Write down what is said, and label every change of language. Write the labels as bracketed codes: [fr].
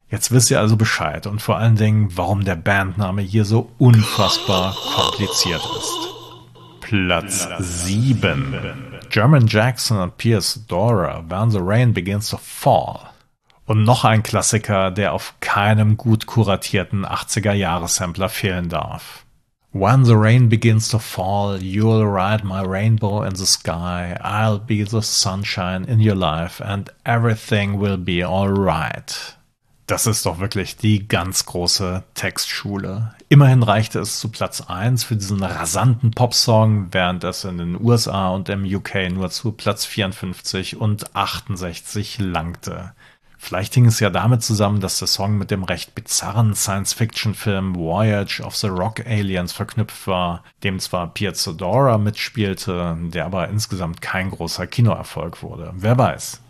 [de] Jetzt wisst ihr also Bescheid und vor allen Dingen, warum der Bandname hier so unfassbar kompliziert ist. Platz 7. German Jackson und Pierce Dora, When the Rain Begins to Fall. Und noch ein Klassiker, der auf keinem gut kuratierten 80er-Jahres-Sampler fehlen darf. [en] When the rain begins to fall, you'll ride my rainbow in the sky, I'll be the sunshine in your life and everything will be alright. [de] Das ist doch wirklich die ganz große Textschule. Immerhin reichte es zu Platz 1 für diesen rasanten Popsong, während es in den USA und im UK nur zu Platz 54 und 68 langte. Vielleicht hing es ja damit zusammen, dass der Song mit dem recht bizarren Science-Fiction-Film Voyage of the Rock Aliens verknüpft war, dem zwar Pierce Dora mitspielte, der aber insgesamt kein großer Kinoerfolg wurde. Wer weiß.